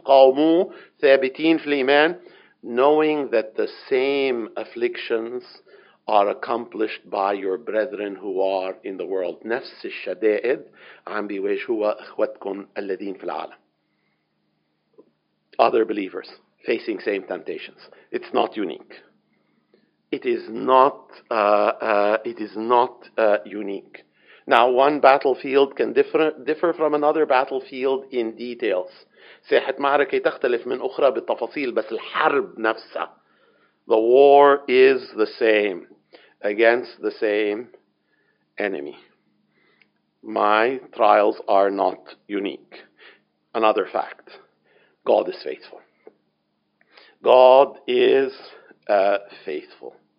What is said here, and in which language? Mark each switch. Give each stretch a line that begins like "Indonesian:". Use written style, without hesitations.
Arabic: قاوموا ثابتين في الإيمان.
English: Knowing that the same afflictions are accomplished by your brethren who are in the world.
Arabic: نفس الشدائد عم بيواجه هو أخواتكم الذين في العالم.
English: Other believers facing same temptations. It's not unique. It is not unique. Now, one battlefield can differ from another battlefield in details.
Arabic: ساحة معركة تختلف من أخرى بالتفاصيل بس الحرب نفسها.
English: The war is the same against the same enemy. My trials are not unique. Another fact. God is faithful. God is faithful.